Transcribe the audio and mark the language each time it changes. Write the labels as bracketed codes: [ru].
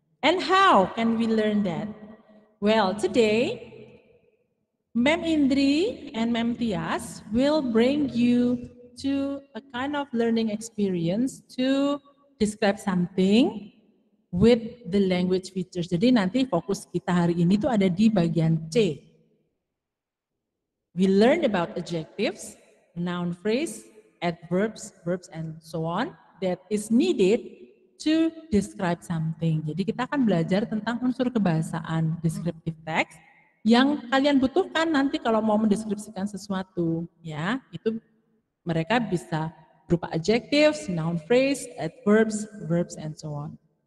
[en] And how can we learn that? Well, today, Mem Indri and Mem Tias will bring you to a kind of learning experience to describe something with the language features. [id] Jadi nanti fokus kita hari ini tuh ada di bagian C. [en] We learned about adjectives, noun phrase, adverbs, verbs, and so on that is needed to describe something. [id] Jadi kita akan belajar tentang unsur kebahasaan descriptive text yang kalian butuhkan nanti kalau mau mendeskripsikan sesuatu, ya, itu mereka bisa berupa [en] adjectives, noun phrase, adverbs, verbs, and so on.